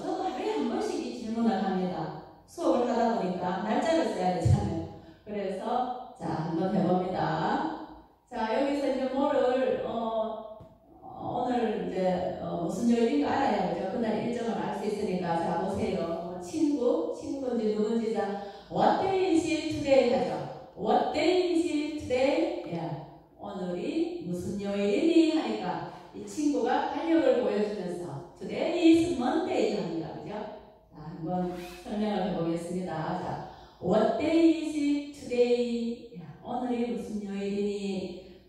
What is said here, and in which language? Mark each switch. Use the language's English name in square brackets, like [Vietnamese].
[Korean] 저도 하루에 한 번씩 이 질문을 합니다. 수업을 하다 보니까 날짜를 써야 되잖아요. 그래서 자 한번 해봅니다. 자 여기서 이제 뭐를 오늘 이제 무슨 요일인가 알아야죠. 그날 일정을 알 수 있으니까 자 보세요. 친구, 친구인지 누군지 자 [English] What day is it today? [Korean] 하죠. [English] What day is it today? [Korean] 야, 오늘이 무슨 요일이니? 하니까 이 친구가 활력을 보여주면서 [English] Today is Monday [Korean] 합니다. 그죠? 자, 한번 설명을 해보겠습니다. 자, [English] What day is it today? [Korean] 야, 오늘이 무슨 요일이니?